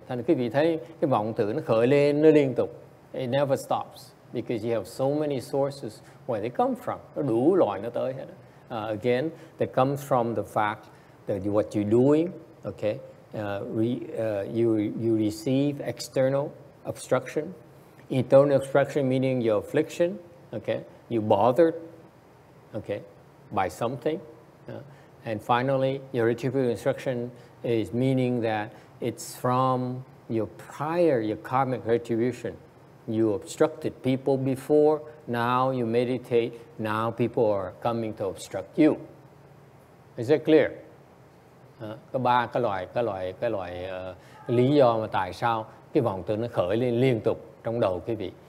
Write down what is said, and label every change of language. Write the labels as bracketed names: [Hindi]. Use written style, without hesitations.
[Vietnamese] Thành quý vị thấy cái vọng tưởng nó khởi lên, nó liên tục. [English] It never stops because you have so many sources where they come from. [Vietnamese] Nó đủ loại nó tới hết. [English] Again, they come from the fact that what you're doing, okay, you receive external obstruction. Internal obstruction meaning your affliction, okay, you're bothered, okay, by something. And finally, your retributive obstruction is meaning that it's from your prior, your karmic retribution. You obstructed people before, now you meditate, now people are coming to obstruct you. Is that clear? [Vietnamese] Có ba cái loại lý do mà tại sao cái vọng tưởng nó khởi lên liên tục trong đầu quý vị.